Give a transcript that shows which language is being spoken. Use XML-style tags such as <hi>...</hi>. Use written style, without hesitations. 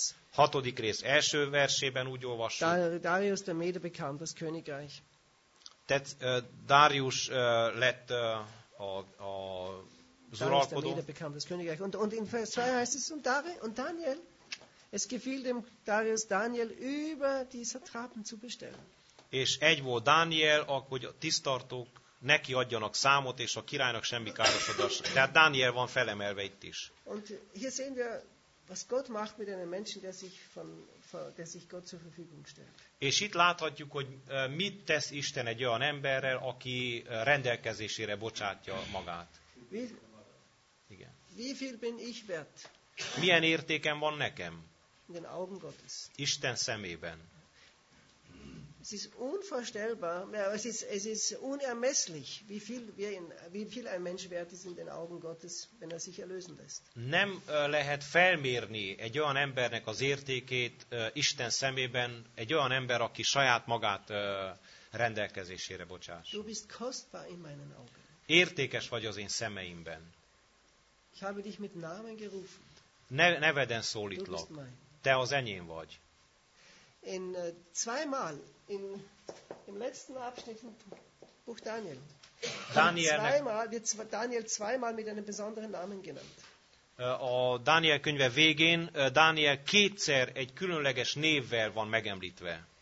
<hu>Hatodik rész első versében úgy olvassuk.</hu> <de>Darius der Mede bekam das Königreich.</de> <hu>Tehát Darius lett a uralkodó.</hu> <de>Darius der Mede bekam das Königreich. Und in Vers 2 heißt es, und Daniel, es gefiel dem Darius Daniel über die Satrapen zu bestellen.</de> <hu>És egy volt Daniel, ahogy a tisztartók neki adjanak számot, és a királynak semmi károsodás. Tehát Dániel van felemelve itt is.</hu> <de>Und hier sehen wir, was Gott macht mit einem Menschen, der sich Gott zur Verfügung stellt.</de> <hu>És itt láthatjuk, hogy mit tesz Isten egy olyan emberrel, aki rendelkezésére bocsátja magát.</hu> <de>Igen. Wie viel bin ich wert?</de> <hu>Milyen értékem van nekem?</hu> <de>In den Augen Gottes.</de> <hu>Isten szemében.</hu> <de>Es ist unvorstellbar, es ist unermesslich, wie viel ein Mensch wert ist in den Augen Gottes, wenn er sich erlösen lässt.</de> <hu>Nem lehet felmérni egy olyan embernek az értékét Isten szemében, egy olyan ember, aki saját magát rendelkezésére bocsáss.</hu> <de>Du bist kostbar in meinen Augen.</de> <hu>Értékes vagy az én szemeimben.</hu> <de>Ich habe dich mit Namen gerufen.</de> <hu>Neveden szólítlak. Te az enyém vagy.</hu> <de>In zweimal im letzten Abschnitt im Buch Daniel. Daniel zweimal mit einem besonderen Namen genannt.</de> <hu>A Daniel könyve végén Daniel kétszer egy különleges névvel van megemlítve.</hu>